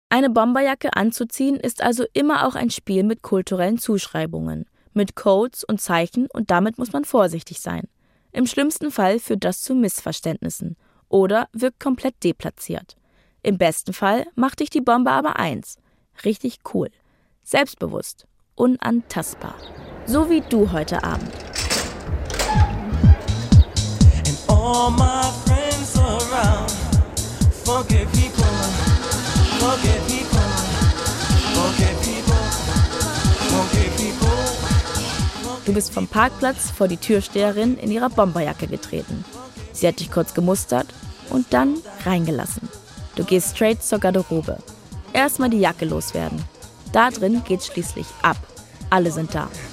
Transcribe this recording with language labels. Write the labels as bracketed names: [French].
[German] Eine Bomberjacke anzuziehen ist also immer auch ein Spiel mit kulturellen Zuschreibungen, mit Codes und Zeichen und damit muss man vorsichtig sein. Im schlimmsten Fall führt das zu Missverständnissen oder wirkt komplett deplatziert. Im besten Fall macht dich die Bombe aber eins, richtig cool, selbstbewusst, unantastbar. So wie du heute Abend. [English] And all my friends around, forget people, forget people, forget people, forget people. [German] Du bist vom Parkplatz vor die Türsteherin in ihrer Bomberjacke getreten. Sie hat dich kurz gemustert und dann reingelassen. Du gehst straight zur Garderobe. Erstmal die Jacke loswerden. Da drin geht's schließlich ab. Alle sind da.